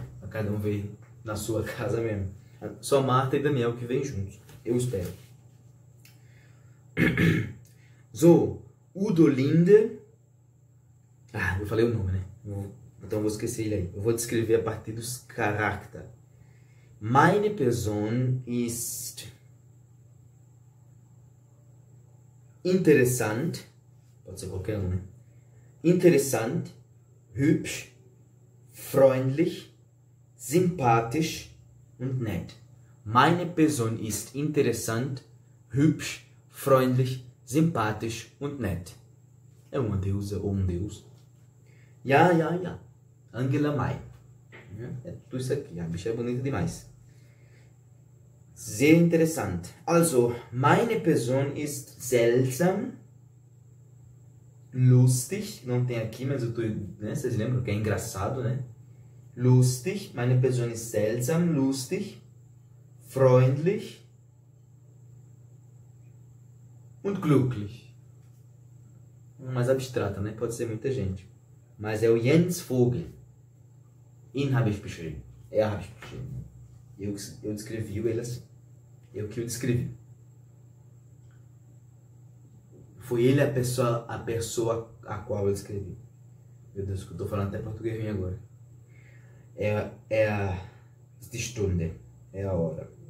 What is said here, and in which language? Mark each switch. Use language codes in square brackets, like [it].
[pt] Cada um vem na sua casa mesmo. Só Marta e Daniel que vêm juntos. Eu espero. So, Udo Linde. Ah, eu falei o nome, né? Então vou esquecer ele aí. Eu vou descrever a partir dos caracter. [de] Meine Person ist interessant. [pt] Pode ser qualquer um, né? [de] Interessant, hübsch, freundlich, sympathisch und nett. Meine Person ist interessant, hübsch, freundlich, sympathisch und nett. [pt] É uma deusa ou um deus? Ja, ja, ja. Angela May. É tudo isso aqui. A bicha é bonita demais. [de] Sehr interessant. Also, meine Person ist seltsam, lustig, [pt] não tem aqui, mas eu tô, né, vocês lembram que é engraçado, né? [de] Lustig, meine Person ist seltsam, lustig, freundlich und glücklich. [pt] Mais abstrata, né? Pode ser muita gente. Mas é o [de] Jens Vogel. Ihn habe ich beschrieben. Er habe ich beschrieben. [pt] Eu descrevi ele assim. Eu que o descrevi. Foi ele a pessoa a qual eu escrevi. Meu Deus, eu tô falando até português vim agora. É a Stunde, é a hora.